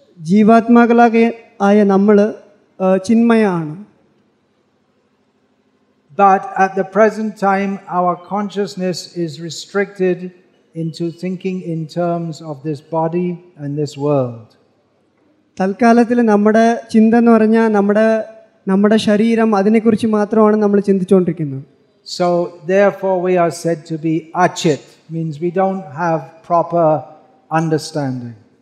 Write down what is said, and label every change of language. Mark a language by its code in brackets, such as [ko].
[ml] Jeevaathmakalaya nammal chinmayaanu. [en] But at the present time, our consciousness is restricted into thinking in terms of this body and this world. [ml] തൽക്കാലത്തിലെ നമ്മുടെ ചിന്ത എന്ന് പറഞ്ഞാൽ നമ്മുടെ ശരീരം അതിനെക്കുറിച്ച് മാത്രമാണ് നമ്മൾ ചിന്തിച്ചുകൊണ്ടിരിക്കുന്നത്. [en] So therefore we are said to be achit, means we don't have proper understanding.